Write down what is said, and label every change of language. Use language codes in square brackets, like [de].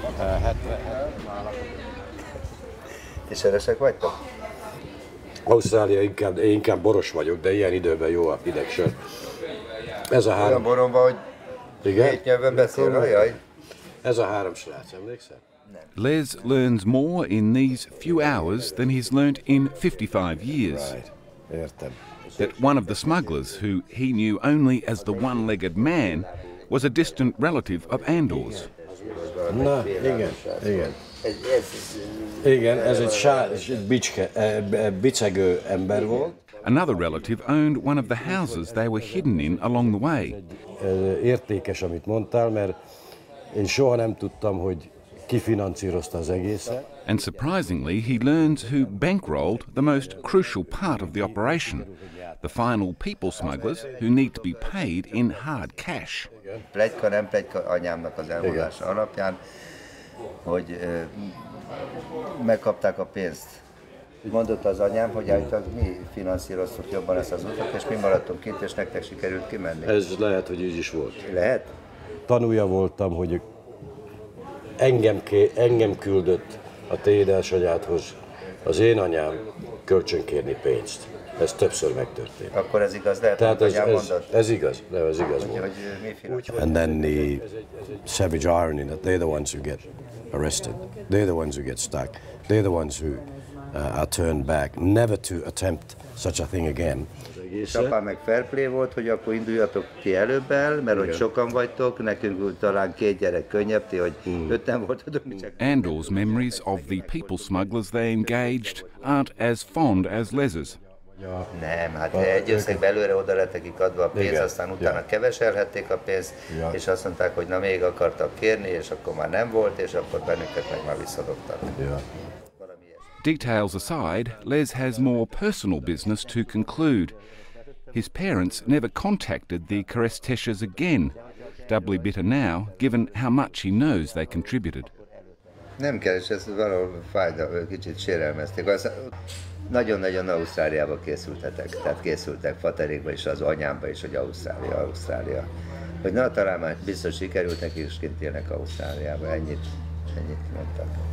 [hu] 77. És eresek vagytok? Ausztrália, inkább boros vagyok, de ilyen időben jó a hideg sör. Ez a három. Olyan boromba, hogy igen? Két nyelven beszél, ajaj. Ez a három srác, emlékszel? [en] Les learns more in these few hours than he's learnt in 55 years. Right. [hu] Értem. [en] That one of the smugglers, who he knew only as the one-legged man, was a distant relative of Andor's. [hu] Na, igen, igen. Igen, ez egy bicegő ember volt. [en] Another relative owned one of the houses they were hidden in along the way. [hu] Értékes, amit mondtál, mert én soha nem tudtam, hogy ki finanszírozta az egészet. [en] And surprisingly, he learns who bankrolled the most crucial part of the operation, the final people smugglers who need to be paid in hard cash. [hu] Pletyka, nem pletyka, anyámnak az elmondása alapján, hogy megkapták a pénzt. Mondott az anyám, hogy állítólag mi finanszíroztuk jobban ezt az utat, és mi maradtunk kint, és nektek sikerült kimenni. Ez lehet, hogy így is volt. Lehet? Tanúja voltam, hogy engem küldött a te édesanyádhoz az én anyám kölcsönkérni pénzt. Ez többször megtörtént. Akkor ez igaz, lehet, tehát hogy anyám mondott? Ez igaz, de ez igaz volt. Hogy mi finanszíroztuk? [en] And then the savage irony that they're the ones who get arrested. They're the ones who get stuck. They're the ones who... I turned back, never to attempt such a thing again. [hu] És apám meg fair play volt, hogy akkor induljatok ti előbb el, mert hogy sokan vagytok, nekünk talán két gyerek könnyebb, ti, hogy öten voltatok. [en] Andor's memories of the people smugglers they engaged aren't as fond as Les's. [hu] Ja. Nem, hát egy összegbe előre oda lett nekik adva a pénz, aztán utána keveselhették a pénzt, és azt mondták, hogy na még akartak kérni, és akkor már nem volt, és akkor bennünket meg már visszadobtak. [en] Details aside, Les has more personal business to conclude. His parents never contacted the Keresztes again, doubly bitter now, given how much he knows they contributed. [hu] Nem keres, ez valahol fájdal, kicsit sérelmezték. Nagyon-nagyon Ausztráliába készültetek, tehát készültek faterékba is, az anyámba is, hogy Ausztrália. Hogy na, talán már biztos sikerült nekik, és kint élnek Ausztráliába, ennyit mondtak.